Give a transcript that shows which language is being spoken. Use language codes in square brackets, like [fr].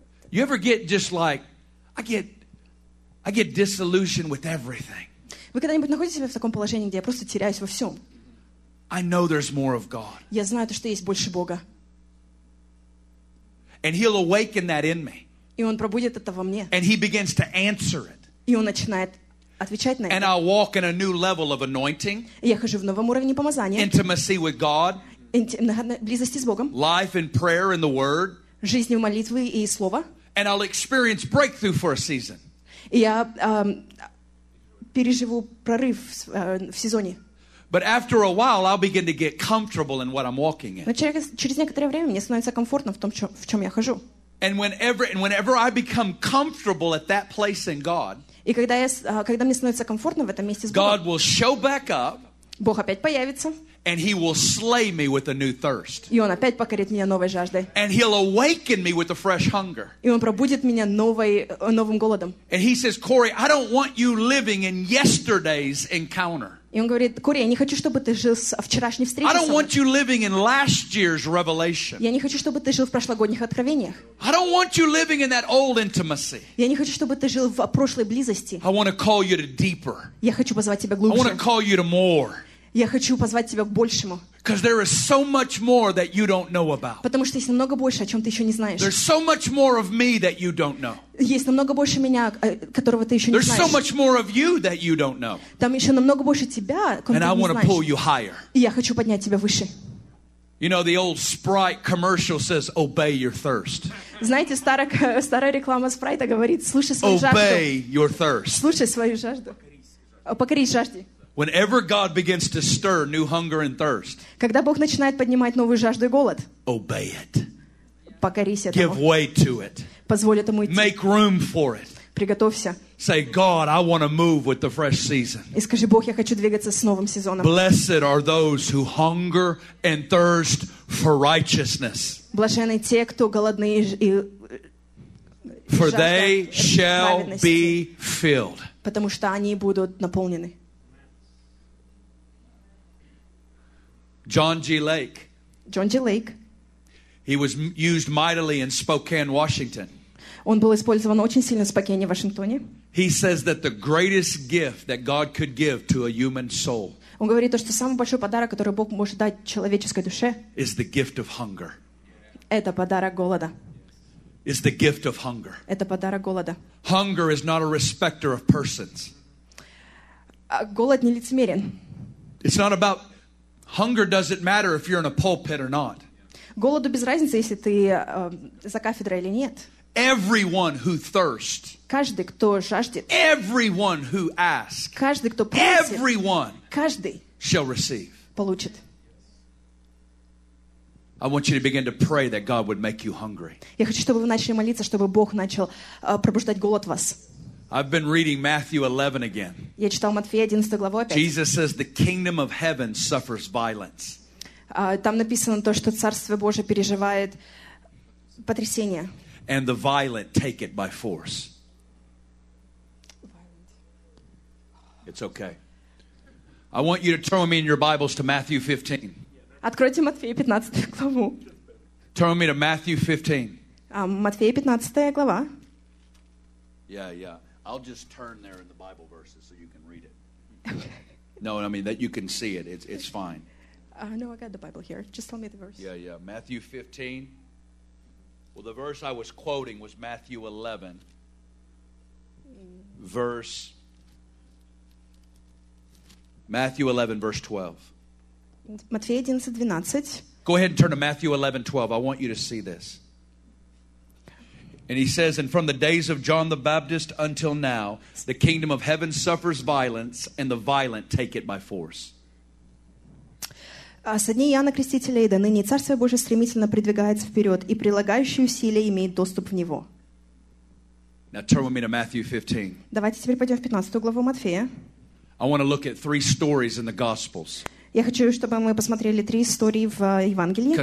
[en] You ever get just like I get disillusioned with everything. [ru] Вы когда-нибудь находите себя в таком положении, где я просто теряюсь во всем? [en] I know there's more of God. [ru] Я знаю то, что есть больше Бога. [en] And he'll awaken that in me. [ru] И он пробудит это во мне. [en] And he begins to answer it. [ru] И он начинает отвечать на это. [en] And I walk in a new level of anointing. [ru] Я хожу в новом уровне помазания. [en] Intimacy with God. [ru] Близости с Богом. [en] Life in prayer and the word. [ru] Жизнь в молитве и слово. [en] And I'll experience breakthrough for a season. [ru] Я переживу прорыв в сезоне. [en] But after a while I'll begin to get comfortable in what I'm walking in. [ru] Но через некоторое время мне становится комфортно в том, в чем я хожу. [en] And whenever I become comfortable at that place in God. [ru] И когда мне становится комфортно в этом месте с Богом. [en] God will show back up. [ru] Бог опять появится. [en] And he will slay me with a new thirst. [ru] И он опять покорит меня новой жаждой. [en] And he'll awaken me with a fresh hunger. [ru] И он пробудит меня новым голодом. [en] And he says, Corey, I don't want you living in yesterday's encounter. [ru] И он говорит, Кори, я не хочу, чтобы ты жил с вчерашней встречи. [en] I don't want you living in last year's revelation. [ru] Я не хочу, чтобы ты жил в прошлогодних откровениях. [en] I don't want you living in that old intimacy. [ru] Я не хочу, чтобы ты жил в прошлой близости. [en] I want to call you to deeper. [ru] Я хочу позвать тебя глубже. [en] I want to call you to more. [ru] Я хочу позвать тебя к большему. [en] Because there is so much more that you don't know about. [ru] Потому что есть намного больше, о чем ты еще не знаешь. [en] There's so much more of me that you don't know. [ru] Есть намного больше меня, которого ты еще не знаешь. [en] There's so much more of you that you don't know. [ru] Там еще намного больше тебя, которого ты не знаешь. [en] And I want to pull you higher. [ru] И я хочу поднять тебя выше. [en] You know the old Sprite commercial says, "Obey your thirst." [ru] Знаете, старая реклама Sprite говорит, слушай свою жажду. [en] Obey your thirst. [ru] Слушай свою жажду. Покорись жажде. [en] Whenever God begins to stir new hunger and thirst, [ru] когда Бог начинает поднимать новую жажду и голод, [en] obey it. [ru] Покорись этому. [en] Give way to it. [ru] Позволь этому идти. [en] Make room for it. [ru] Приготовься. [en] Say, God, I want to move with the fresh season. [ru] И скажи, Бог, я хочу двигаться с новым сезоном. [en] Blessed are those who hunger and thirst for righteousness. [ru] Блаженны те, кто голодны и жаждут. [en] For they shall be filled. [ru] Потому что они будут наполнены. [en] John G. Lake. He was used mightily in Spokane, Washington. [ru] Он был использован очень сильно в Спокане, Вашингтоне. [en] He says that the greatest gift that God could give to a human soul. [ru] Он говорит то, что самый большой подарок, который Бог может дать человеческой душе, [en] is the gift of hunger. [ru] Это подарок голода. [en] Is the gift of hunger. [ru] Это подарок голода. [en] Hunger is not a respecter of persons. [ru] Голод не лицемерен. [en] It's not about hunger doesn't matter if you're in a pulpit or not. [ru] Голоду без разницы, если ты за кафедрой или нет. [en] Everyone who thirsts. [ru] Каждый, кто жаждет. [en] Everyone who asks. [ru] Каждый, кто просит. [en] Everyone. [ru] Каждый. [en] Shall receive. [ru] Получит. [en] I want you to begin to pray that God would make you hungry. [ru] Я хочу, чтобы вы начали молиться, чтобы Бог начал пробуждать голод в вас. [en] I've been reading Matthew 11 again. [ru] Я читал Матфея 11 главу опять. [en] Jesus says the kingdom of heaven suffers violence. [ru] Там написано то, что Царство Божие переживает потрясение. [en] And the violent take it by force. It's okay. I want you to turn with me in your Bibles to Matthew 15. [ru] Откройте Матфея 15 главу. [en] Turn with me to Matthew 15. [ru] Матфея 15 глава. [en] Yeah. I'll just turn there in the Bible verses so you can read it. No, I mean that you can see it. It's fine. No, I got the Bible here. Just tell me the verse. Yeah. Matthew 15. Well, the verse I was quoting was Matthew 11. Matthew 11, verse 12. [ru] Матфея 11:12. [en] Go ahead and turn to Matthew 11:12. I want you to see this. And he says, and from the days of John the Baptist until now, the kingdom of heaven suffers violence, and the violent take it by force. [ru] Со дней Иоанна Крестителя и до ныне Царство Божие стремительно продвигается вперед, и прилагающие усилия имеют доступ в него. [en] Now turn with me to Matthew 15. [ru] Давайте теперь пойдем в 15 главу Матфея. [en] I want to look at three stories in the Gospels. [ru] Я хочу, чтобы мы посмотрели три истории в Евангелии.